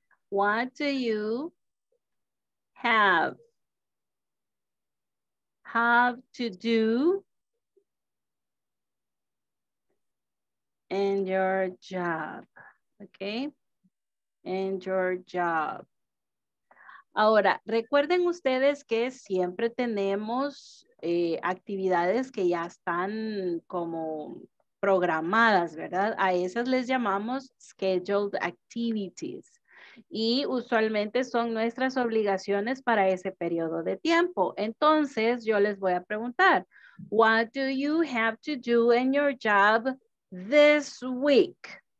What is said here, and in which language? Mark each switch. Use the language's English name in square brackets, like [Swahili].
[English] What do you have to do in your job? Okay, in your job. [Spanish] Ahora, recuerden ustedes que siempre tenemos actividades que ya están como programadas, ¿verdad? A esas les llamamos scheduled activities. Y usualmente son nuestras obligaciones para ese periodo de tiempo. Entonces, yo les voy a preguntar, [English] what do you have to do in your job this week?